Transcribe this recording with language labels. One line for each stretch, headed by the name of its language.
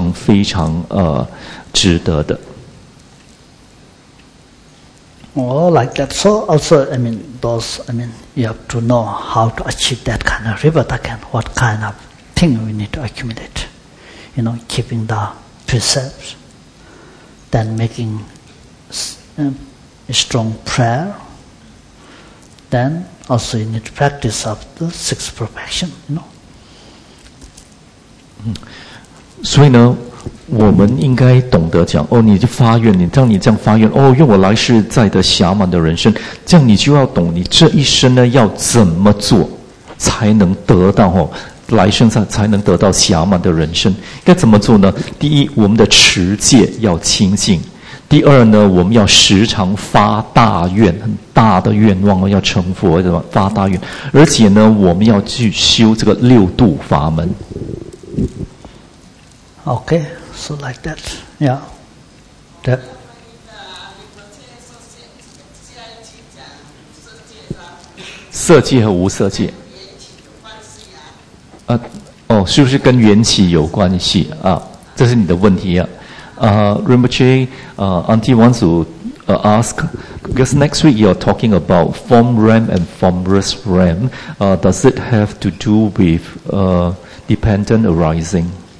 Chinese: 所以如果你真的想不间断的去修习佛法，但讲断讲不间断，是因为如果你掉下去，恶道你就很难了，你的修法就间断了。你如果你真的很想不间断的去修习佛法的话，当然呢，你就可以发愿哦，愿我来生再得暇满的人生再来修行，这样发愿呢是非常非常值得的。
English: Like that. So also, I mean, you have to know how to achieve that kind of rebirth again, what kind of thing we need to accumulate. you know, keeping the precepts, then making a strong prayer, then also you need to practice of the six perfection, you know.
Chinese: 所以呢，我们应该懂得讲哦，你就发愿，你当你这样发愿哦，愿我来世再得暇满的人生，这样你就要懂你这一生呢要怎么做才能得到哦，来生才能得到暇满的人生，该怎么做呢？第一，我们的持戒要清净；第二呢，我们要时常发大愿，很大的愿望要成佛，对吧？发大愿，而且呢，我们要去修这个六度法门。
English: Okay, so like that, yeah, that.
Chinese: Sirji 和无色界。哦，是不是跟缘起有关系啊？这是你的问题啊。
English: Rinpoche, Auntie wants to ask, because next week you're talking about form realm and formless realm. Does it have to do with dependent arising?